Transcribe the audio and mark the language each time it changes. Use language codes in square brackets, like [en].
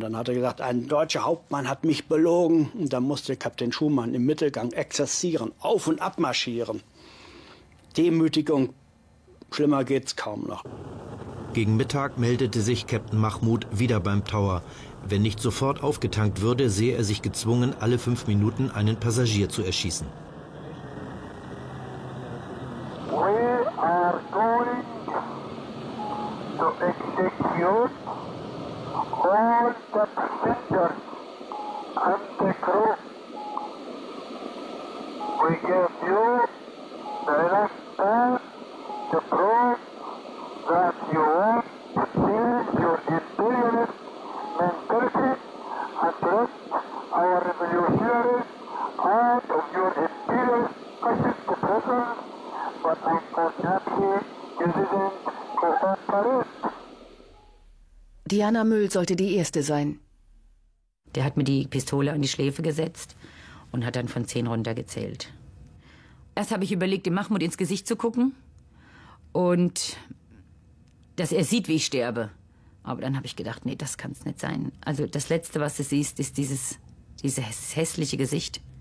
[de] Dann hat er gesagt, ein deutscher Hauptmann hat mich belogen. Und dann musste Kapitän Schumann im Mittelgang exerzieren, auf- und abmarschieren. Demütigung, schlimmer geht's kaum noch. Gegen Mittag meldete sich Kapitän Mahmoud wieder beim Tower. Wenn nicht sofort aufgetankt würde, sehe er sich gezwungen, alle 5 Minuten einen Passagier zu erschießen. [en] We are going to execute all the passengers and the crew. We give you the last time to prove that you want to change your imperialist mentality and trust our revolutionaries out of your imperialist fascist prison, but unfortunately you didn't cooperate. [de] Diana Müll sollte die Erste sein. Der hat mir die Pistole an die Schläfe gesetzt und hat dann von 10 runtergezählt. Erst habe ich überlegt, dem Mahmoud ins Gesicht zu gucken und dass er sieht, wie ich sterbe. Aber dann habe ich gedacht, nee, das kann es nicht sein. Also das Letzte, was du siehst, ist dieses hässliche Gesicht.